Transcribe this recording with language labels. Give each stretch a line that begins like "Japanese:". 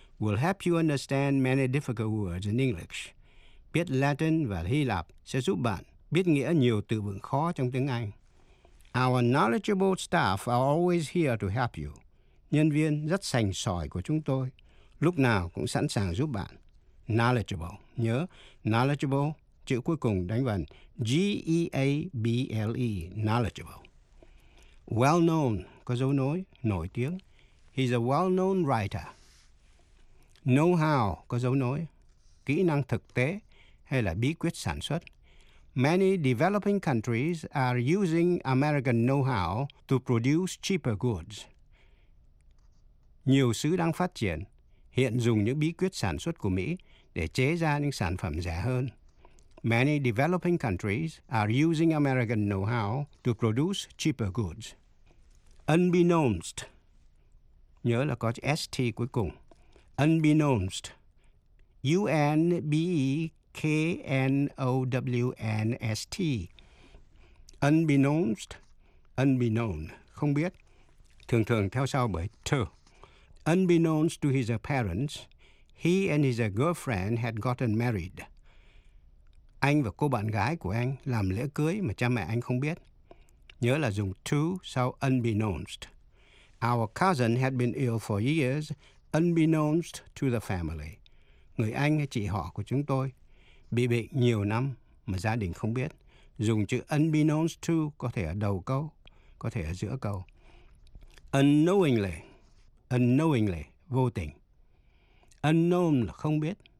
English: will help you understand many difficult words in English.
Vietnamese: Biết Latin và Hy Lạp sẽ giúp bạn biết nghĩa nhiều từ vựng khó trong tiếng Anh.
English: Our knowledgeable staff are always here to help you.
Vietnamese: Nhân viên rất sành sỏi của chúng tôi lúc nào cũng sẵn sàng giúp bạn. Knowledgeable, nhớ knowledgeable, chữ cuối cùng đánh vần G-E-A-B-L-E, knowledgeable. Well-known, có dấu nối, nổi tiếng.
English: He's a well-known writer.
Vietnamese: Know-how, có dấu nối, kỹ năng thực tế hay là bí quyết sản xuất.
English: Many developing countries are using American know-how to produce cheaper goods.
Vietnamese: Nhiều xứ đang phát triển, hiện dùng những bí quyết sản xuất của Mỹ để chế ra những sản phẩm rẻ hơn.
English: Many developing countries are using American know-how to produce cheaper goods.
Vietnamese: Unbeknownst, nhớ là có chữ ST cuối cùng.
English: Unbeknownst, UNBEKNOWNST.
Vietnamese: Unbeknownst, unbeknown, không biết, thường thường theo sau bởi to.
English: Unbeknownst to his parents, he and his girlfriend had gotten married.
Vietnamese: Anh và cô bạn gái của anh làm lễ cưới mà cha mẹ anh không biết. Nhớ là dùng to sau unbeknownst.
English: Our cousin had been ill for years, unbeknownst to the family.
Vietnamese: Người anh hay chị họ của chúng tôi bị bệnh nhiều năm mà gia đình không biết. Dùng chữ unbeknownst to có thể ở đầu câu, có thể ở giữa câu. Unknowingly, unknowingly, vô tình. Unknown là không biết.